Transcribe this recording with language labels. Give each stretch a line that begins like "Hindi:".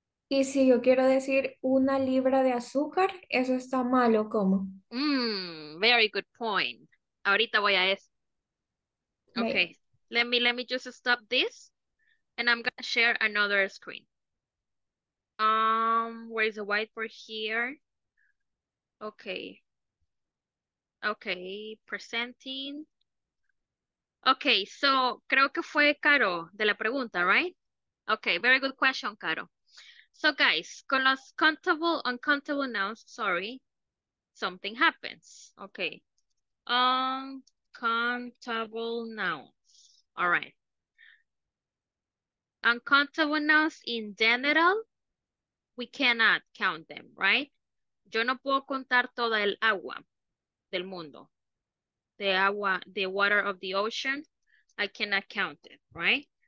Spanish: Y si yo quiero decir una libra de azúcar, ¿eso está mal o cómo?
English: Very good point.
Spanish: Ahorita voy a eso.
English: Okay, let me just stop this, and I'm gonna share another screen. Where is the whiteboard here? Okay, presenting.
Spanish: Okay, so creo que fue Caro de la pregunta, right?
English: Okay, very good question, Caro. So guys, con los countable, uncountable nouns, sorry, something happens. Okay. Uncountable nouns. All right. Uncountable nouns in general, we cannot count them, right?
Spanish: Yo no puedo contar toda el agua del mundo.
English: The agua, the water of the ocean, I cannot count it, right?